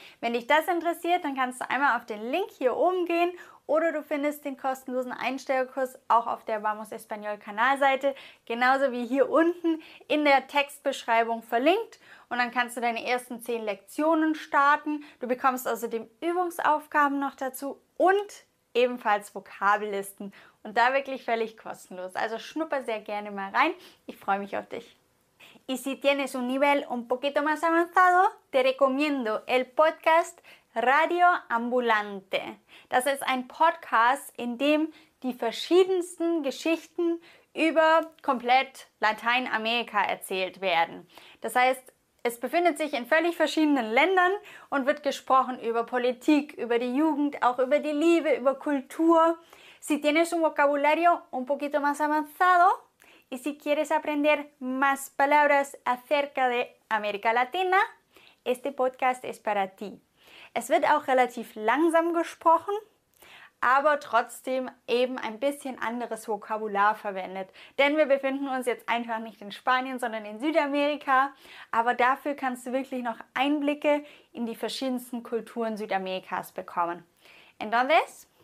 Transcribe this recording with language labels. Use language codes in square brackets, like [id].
[de] Wenn dich das interessiert, dann kannst du einmal auf den Link hier oben gehen oder du findest den kostenlosen Einsteigerkurs auch auf der Vamos Español Kanalseite, genauso wie hier unten in der Textbeschreibung verlinkt. Und dann kannst du deine ersten 10 Lektionen starten. Du bekommst außerdem Übungsaufgaben noch dazu und ebenfalls Vokabellisten. Und da wirklich völlig kostenlos. Also schnupper sehr gerne mal rein. Ich freue mich auf dich. [es] Y si tienes un nivel un poquito más avanzado, te recomiendo el podcast Radio Ambulante. [de] Das ist ein Podcast, in dem die verschiedensten Geschichten über komplett Lateinamerika erzählt werden. Das heißt, es befindet sich in völlig verschiedenen Ländern und wird gesprochen über Politik, über die Jugend, auch über die Liebe, über Kultur. [es] Si tienes un vocabulario un poquito más avanzado y si quieres aprender más palabras acerca de América Latina, este podcast es para ti. [de] Es wird auch relativ langsam gesprochen, aber trotzdem eben ein bisschen anderes Vokabular verwendet. Denn wir befinden uns jetzt einfach nicht in Spanien, sondern in Südamerika. Aber dafür kannst du wirklich noch Einblicke in die verschiedensten Kulturen Südamerikas bekommen. Entonces,